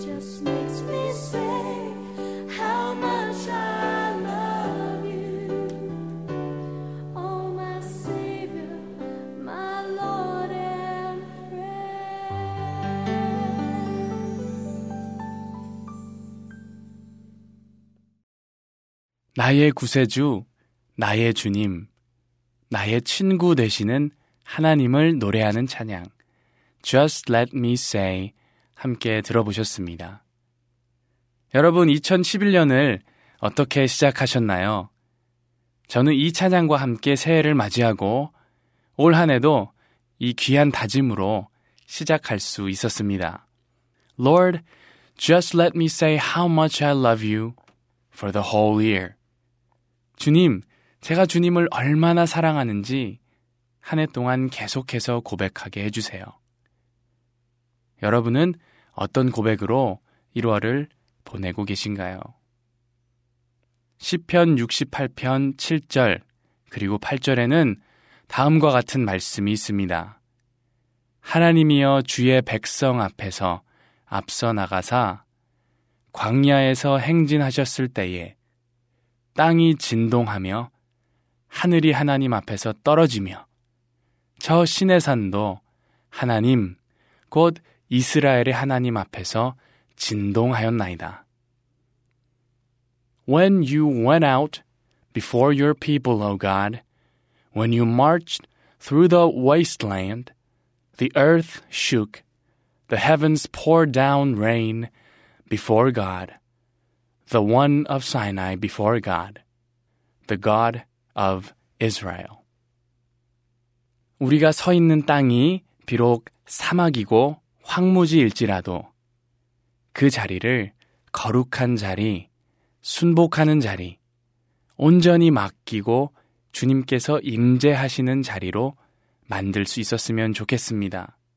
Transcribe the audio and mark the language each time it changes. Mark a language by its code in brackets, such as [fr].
[en] Just makes me say how much I love you. Oh, my Savior, my Lord and friend. [ko] 나의 구세주, 나의 주님, 나의 친구 되시는 하나님을 노래하는 찬양 Just Let Me Say 함께 들어보셨습니다. 여러분, 2011년을 어떻게 시작하셨나요? 저는 이 찬양과 함께 새해를 맞이하고 올 한 해도 이 귀한 다짐으로 시작할 수 있었습니다. [en] Lord, just let me say how much I love you for the whole year. [ko] 주님, 제가 주님을 얼마나 사랑하는지 한 해 동안 계속해서 고백하게 해주세요. 여러분은 어떤 고백으로 1월을 보내고 계신가요? 시편 68편 7절 그리고 8절에는 다음과 같은 말씀이 있습니다. 하나님이여 주의 백성 앞에서 앞서 나가사 광야에서 행진하셨을 때에 땅이 진동하며 하늘이 하나님 앞에서 떨어지며 저 시내산도 하나님, 곧 이스라엘의 하나님 앞에서 진동하였나이다. [en] When you went out before your people, O God, when you marched through the wasteland, the earth shook, the heavens poured down rain before God, the one of Sinai before God, the God of Israel. [ko] 우리가 서 있는 땅이 비록 사막이고 황무지일지라도 그 자리를 거룩한 자리, 순복하는 자리, 온전히 맡기고 주님께서 임재하시는 자리로 만들 수 있었으면 좋겠습니다.